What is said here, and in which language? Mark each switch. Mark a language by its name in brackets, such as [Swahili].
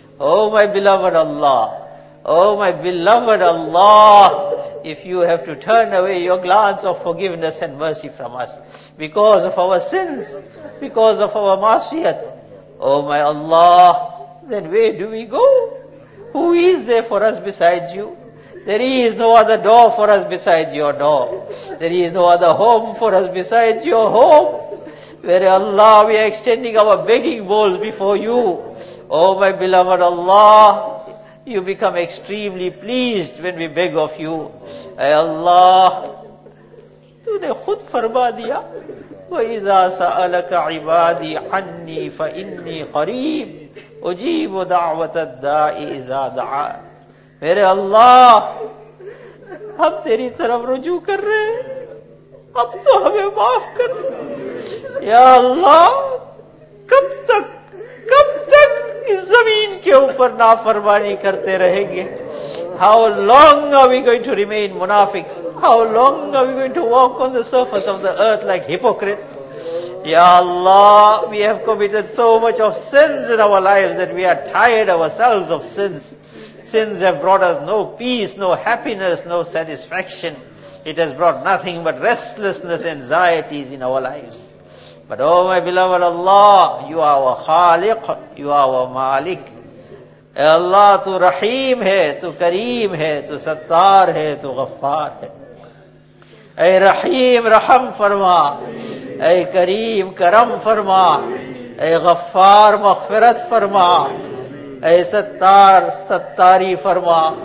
[English] Oh my beloved Allah oh my beloved Allah If you have to turn away your glance of forgiveness and mercy from us because of our sins, because of our masiyat, oh my Allah, then where do we go? Who is there for us besides you? There is no other door for us besides your door. There is no other home for us besides your home. Where Allah, we are extending our begging bowls before you. Oh my beloved Allah, you become extremely pleased when we beg of you. [Urdu] اے اللہ تو نے خود فرما دیا [Arabic] وَإِذَا سَأَلَكَ عِبَادِي عَنِّي فَإِنِّي قَرِيبٌ اُجِيبُ دَعْوَةَ الدَّاعِ اِذَا دَعَا [Urdu] میرے اللہ ہم تیری طرف رجوع کر رہے ہیں اب تو ہمیں معاف کر یا اللہ کب تک اس زمین کے اوپر نافرمانی کرتے رہیں گے [English] How long are we going to remain munafiqs? How long are we going to walk on the surface of the earth like hypocrites? Ya Allah, we have committed so much of sins in our lives that we are tired ourselves of sins. Sins have brought us no peace, no happiness, no satisfaction. It has brought nothing but restlessness, anxieties in our lives. But oh my beloved Allah, you are our Khaliq, you are our Malik. [Urdu] اے اللہ تو رحیم ہے تو کریم ہے تو ستار ہے تو غفار ہے اے رحیم رحم فرما، اے کریم کرم فرما، اے غفار مغفرت فرما، اے ستار ستاری فرما.